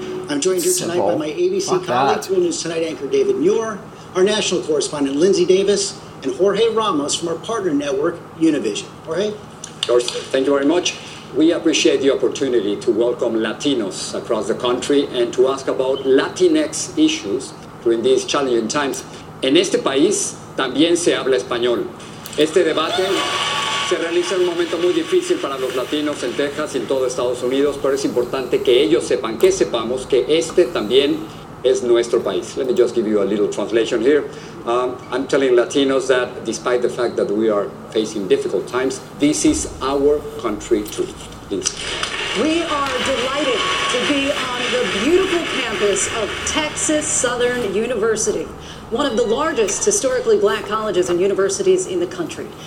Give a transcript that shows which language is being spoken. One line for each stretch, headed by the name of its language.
English: I'm joined here tonight by my ABC colleagues, World News Tonight anchor David Muir, our national correspondent Lindsay Davis, and Jorge Ramos from our partner network, Univision. Jorge? George, thank you very much. We appreciate the opportunity to welcome Latinos across the country and to ask about Latinx issues during these challenging times.
Spanish: En este país también se habla español. Este debate se realiza en un momento muy difícil para los latinos en Texas y en todo Estados Unidos, pero es importante que ellos sepan, que sepamos que este también es nuestro país.
English: Let me just give you a little translation here. I'm telling Latinos that despite the fact that we are facing difficult times, this is our country too. Please. We are delighted to be on the beautiful campus of Texas Southern University, one of the largest historically black colleges and universities in the country.